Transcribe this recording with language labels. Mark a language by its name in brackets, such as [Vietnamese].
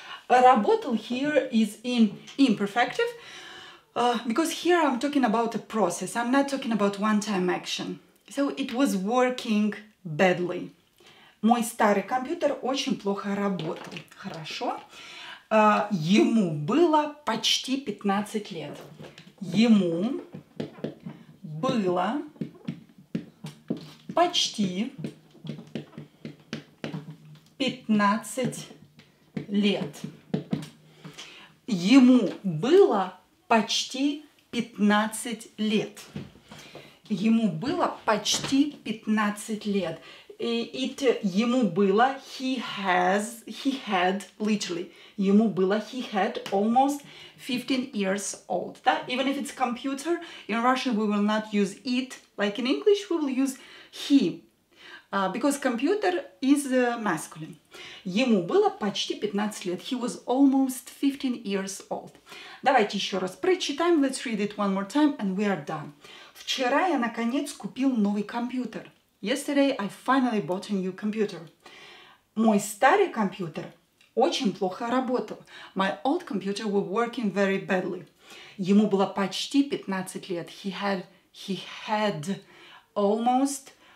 [English] Работал here is in imperfective, because here I'm talking about a process. I'm not talking about one-time action. So, it was working badly. [Russian] Мой старый компьютер очень плохо работал. Хорошо. Ему было почти 15 лет. Ему было почти 15 лет. Ему было почти 15 лет. Ему было почти 15 лет. [English] It [Russian] ему было, [English] he had almost 15 years old. [Russian] Да? [English] Even if it's computer, in Russian we will not use it like in English, we will use he. Because computer is masculine. [Russian] Ему было почти 15 лет. [English] He was almost 15 years old. [Russian] Давайте еще раз прочитаем. [English] Let's read it one more time and we are done. [Russian] Вчера я наконец купил новый компьютер. [English] Yesterday I finally bought a new computer. [Russian] Мой старый компьютер очень плохо работал. [English] My old computer was working very badly. [Russian] Ему было почти 15 лет. [English] He had almost...